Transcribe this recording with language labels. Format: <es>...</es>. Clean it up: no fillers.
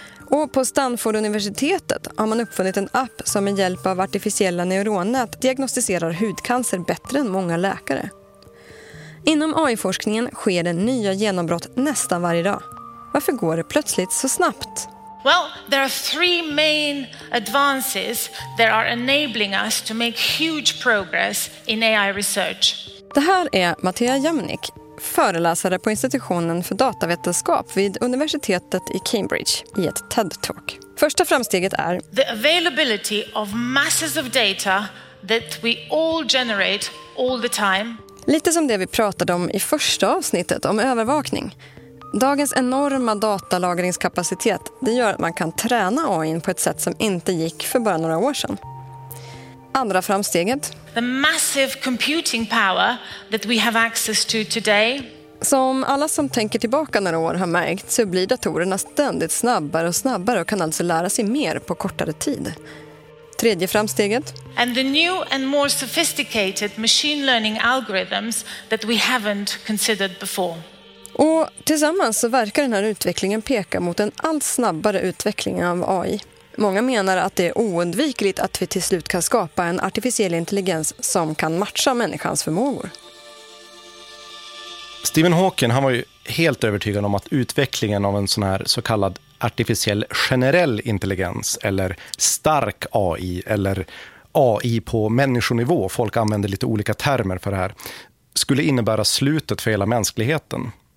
<sv>Och på Stanford-universitetet har man uppfunnit en app som med hjälp av artificiella neuronnät diagnostiserar hudcancer bättre än många läkare. Inom AI-forskningen sker det nya genombrott nästan varje dag. Varför går det plötsligt så snabbt?</sv> <en>Well, there are three main advances that are enabling us to make huge progress in AI research.</en> <sv>Det här är Mattia Jamnik, föreläsare på institutionen för datavetenskap vid universitetet i Cambridge i ett TED-talk. Första framsteget är</sv> <en>the availability of masses of data that we all generate all the time.</en> <sv>Lite som det vi pratade om i första avsnittet om övervakning. Dagens enorma datalagringskapacitet, det gör att man kan träna AI på ett sätt som inte gick för bara några år sedan. Andra framsteget.</sv> <en>The massive computing power that we have access to today.</en> <sv>Som alla som tänker tillbaka några år har märkt så blir datorerna ständigt snabbare och snabbare och kan alltså lära sig mer på kortare tid. Tredje framsteget.</sv> <en>And the new and more sophisticated machine learning algorithms that we haven't considered before.</en> <sv>Och tillsammans så verkar den här utvecklingen peka mot en allt snabbare utveckling av AI. Många menar att det är oundvikligt att vi till slut kan skapa en artificiell intelligens som kan matcha människans förmågor. Stephen Hawking, han var ju helt övertygad om att utvecklingen av en sån här så kallad artificiell generell intelligens eller stark AI eller AI på människonivå, folk använder lite olika termer för det här, skulle innebära slutet för hela mänskligheten.</sv>